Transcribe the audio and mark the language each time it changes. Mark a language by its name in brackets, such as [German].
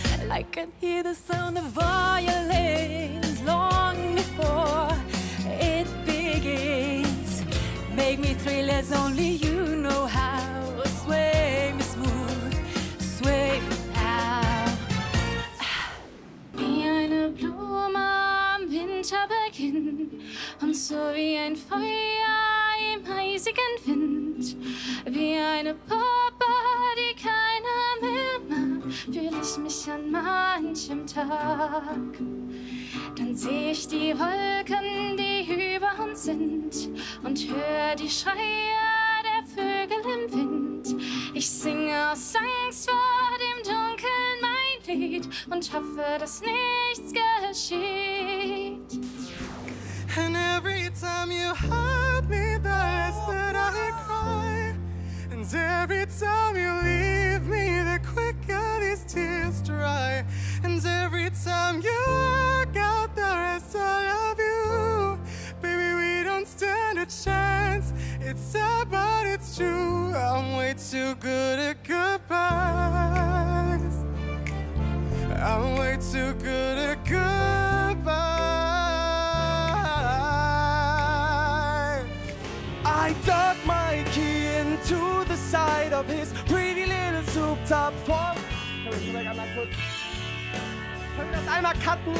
[English] I can hear the sound of violins long before it begins. Make me thrill as only you know how. Sway me smooth, sway me now. [German] Wie eine Blume am Winterbeginn und so wie ein Feuer im eisigen Wind. Wie eine Puppe, die keiner mehr mag, fühle ich mich an manchem Tag. Dann sehe ich die Wolken, die über uns sind, und höre die Schreie der Vögel im Wind. Ich singe aus Angst vor dem Dunkeln mein Lied und hoffe, dass nichts geschieht. [English] And every time you hurt me, that's that I cry. And every time you leave me, the quicker these tears dry. And every time you walk out, the rest all of you. Baby, we don't stand a chance. It's sad, but it's true. I'm way too good at goodbyes. I'm way too good at goodbyes. I dug my key into the side of his pretty little soup top form. [German] Können wir das einmal cutten?